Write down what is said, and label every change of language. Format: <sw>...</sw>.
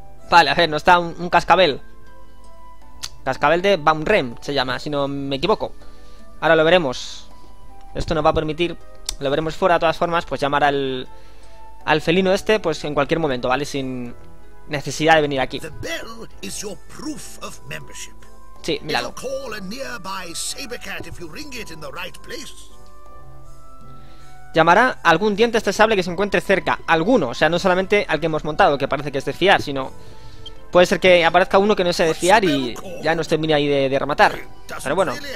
<es>Vale, a ver, no está un cascabel. Cascabel de Baumrem se llama, si no me equivoco. Ahora lo veremos. Esto nos va a permitir, lo veremos fuera de todas formas, pues llamar al felino este, pues en cualquier momento, ¿vale? Sin necesidad de venir aquí.</es> <en>The bell is your proof of membership.</en> <es>Sí, míralo.</es> <en>It'll call a nearby Sabercat if you ring it in the right place.</en> <es>Llamará a algún diente este sable que se encuentre cerca. Alguno, o sea, no solamente al que hemos montado, que parece que es de fiar, sino puede ser que aparezca uno que no sea de fiar y ya nos termine ahí de rematar. Pero bueno.</es>